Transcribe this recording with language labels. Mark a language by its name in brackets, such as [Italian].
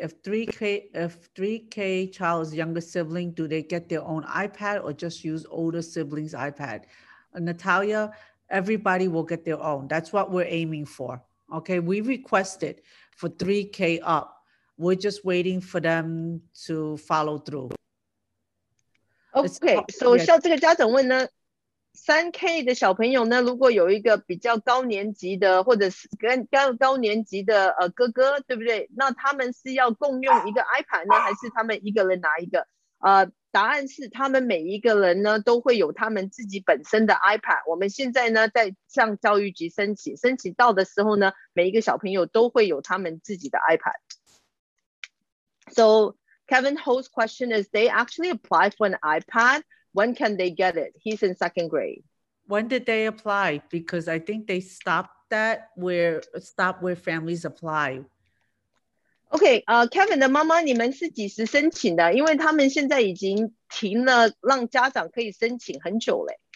[English] If 3K child's younger sibling, do they get their own iPad or just use older sibling's iPad? Natalia, everybody will get their own. That's what we're aiming for. Okay. We requested for 3K up. We're just waiting for them to follow through. Okay. [Chinese] So, 像这个家长问呢3K 的小朋友呢，如果有一个比较高年级的，或者是跟高年级的哥哥，对不对？那他们是要共用一个 iPad 呢，还是他们一个人拿一个？答案是他们每一个人呢都会有他们自己本身的 iPad。我们现在呢在向教育局申请，申请到的时候呢，每一个小朋友都会有他们自己的 iPad。 [English] So Kevin Ho's question is, they actually apply for an iPad? When can they get it? He's in second grade. When did they apply? Because I think they stopped that where, stopped where families apply. [Chinese] Okay, Kevin 的妈妈，你们是几时申请的？因为他们现在已经停了，让家长可以申请很久了。